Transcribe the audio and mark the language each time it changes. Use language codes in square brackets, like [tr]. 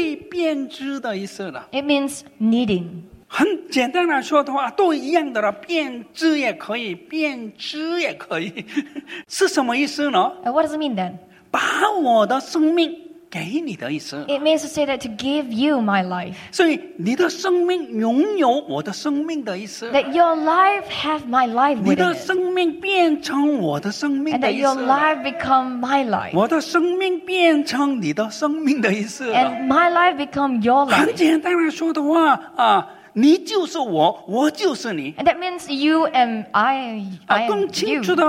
[zh] 编织是做什么东西？做衣服那是编织，不是编织，也可以的了，编织，做衣服那样，那个就是编织嘛，被编织的意思了。 [en] It means kneading. [zh] 很简单来说的话，都一样的了，编织也可以，编织也可以，是什么意思呢？ [en] What does it mean then? [zh] 把我的生命给你的意思。 [en] It means to say that to give you my life. [zh] 所以你的生命拥有我的生命的意思。 [en] That your life have my life with it. [zh] 你的生命变成我的生命的意思。 [en] And that your life become my life. [zh] 我的生命变成你的生命的意思。 [en] And my life become your life. [zh] 很简单来说的话，你就是我，我就是你。 [en] And that means you and I am you.